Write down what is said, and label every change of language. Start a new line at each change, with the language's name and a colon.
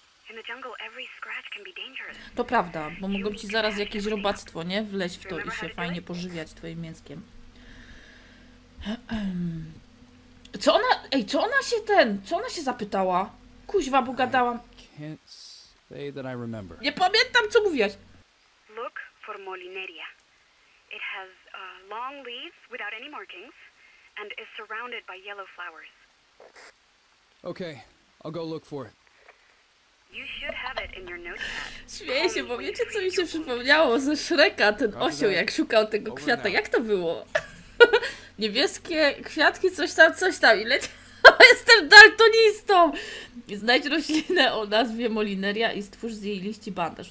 English: In the jungle, every scratch can be dangerous.
Polish: To prawda, bo mogą ci zaraz jakieś robactwo, nie? Wleźć w to i się fajnie pożywiać twoim mięskiem. Co ona... Ej, co ona się ten... Co ona się zapytała? Kuźwa, bo gadałam.
English: I can't say that I remember.
Polish: Nie pamiętam, co mówiłaś.
English: Look for Molineria. It has long leaves without any markings and is surrounded by yellow flowers. Okay, I'll go look for it. You should have it in your notepad.
Polish: Śmieję się, bo wiecie, co mi się przypomniało ze Shreka, ten osioł, jak szukał tego kwiata. Jak to było? Niebieskie kwiatki, coś tam i leciał. Jestem daltonistą! Znajdź roślinę o nazwie Molineria i stwórz z jej liści bandaż.